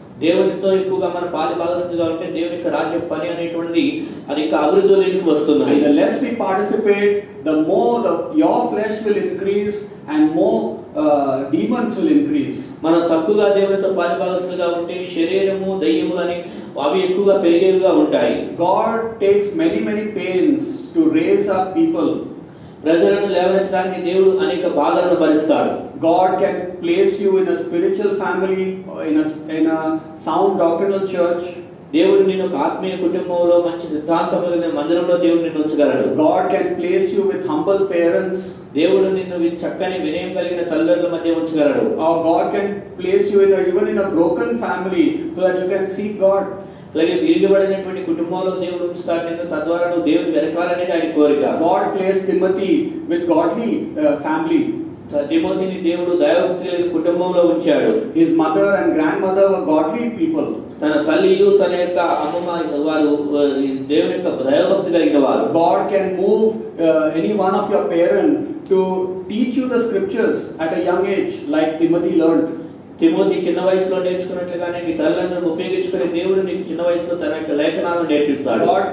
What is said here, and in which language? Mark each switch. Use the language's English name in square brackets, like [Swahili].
[Telugu] దేవునితో ఎక్కువగా మనం పాలిపాలసుగా ఉంటే దేవుని యొక్క రాజ్య పని అనేటువంటి అది ఇంకా అభివృద్ధిలోకి వస్తుంది. [English] The less we participate the more the your flesh will increase and more demons will increase. [Telugu] మన తక్కువగా దేవునితో పాలిపాలసుగా ఉంటే శరీరము దయ్యము అని అవి ఎక్కువగా పెరిగేవిగా ఉంటాయి. [English] God takes many many pains to raise up people. [Telugu] ప్రజలను లేవనెత్తడానికి దేవుడు అనేక బాధలను భరిస్తాడు. [English] God can place you in a spiritual family, in a sound doctrinal church. [Telugu] దేవుడు నిన్ను ఒక ఆత్మీయ కుటుంబంలో మంచి సిద్ధాంతమైన మందిరంలో దేవుడు నిన్ను ఉంచగలడు. [English] God can place you with humble parents. [Telugu] దేవుడు నిన్ను చక్కని వినయం కలిగిన తల్లిదండ్రుల మధ్య ఉంచగలడు. [English] Our God can place you even in a broken family so that you can seek God. [Telugu] అలాగే విరిగిపడినటువంటి కుటుంబంలో దేవుడు ఉంచుతాడు నిన్ను, తద్వారా నువ్వు దేవుని వెనకాలనే దాని కోరిక. [English] God placed Timothy with godly family. [Telugu] తిమోతిని దేవుడు దైవభక్తి కలిగిన కుటుంబంలో ఉంచాడు. [English] His mother and grandmother were godly people. [Telugu] తన తల్లియు తన యొక్క అమ్మ వారు దేవుని యొక్క దైవభక్తి కలిగిన వారు. [English] God can move any one of your parents to teach you the scriptures at a young age like Timothy learned. [Telugu] Timothy చిన్న వయసులో నేర్చుకున్నట్లుగానే నీ తల్లిదండ్రులను ఉపయోగించుకుని దేవుడు నీకు చిన్న వయసులో తన యొక్క లేఖనాలను నేర్పిస్తాడు.